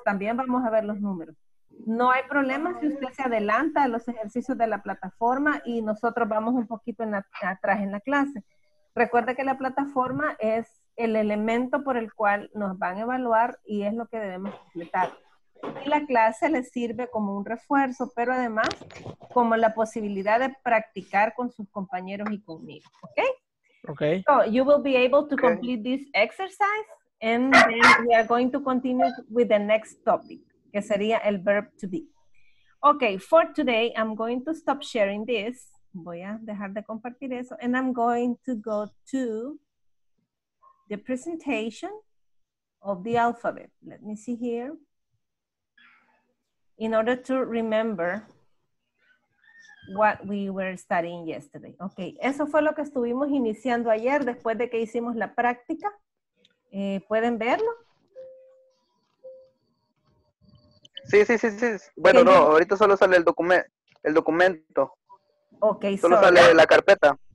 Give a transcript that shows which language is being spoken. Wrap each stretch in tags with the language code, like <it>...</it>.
<es>También vamos a ver los números. No hay problema si usted se adelanta a los ejercicios de la plataforma y nosotros vamos un poquito atrás en la clase. Recuerde que la plataforma es el elemento por el cual nos van a evaluar y es lo que debemos completar. Y la clase le sirve como un refuerzo, pero además como la posibilidad de practicar con sus compañeros y conmigo. ¿Ok? Ok.</es> <en>So, you will be able to complete this exercise and then we are going to continue with the next topic,</en> <es>que sería el</es> <en>verb to be. Okay, for today, I'm going to stop sharing this.</en> <es>Voy a dejar de compartir eso.</es> <en>And I'm going to go to the presentation of the alphabet. Let me see here. In order to remember what we were studying yesterday.</en> <es>Okay, eso fue lo que estuvimos iniciando ayer después de que hicimos la práctica. ¿Pueden verlo? Sí. Bueno, no, ahorita solo sale el documento. Ok, solo sale la carpeta.</es>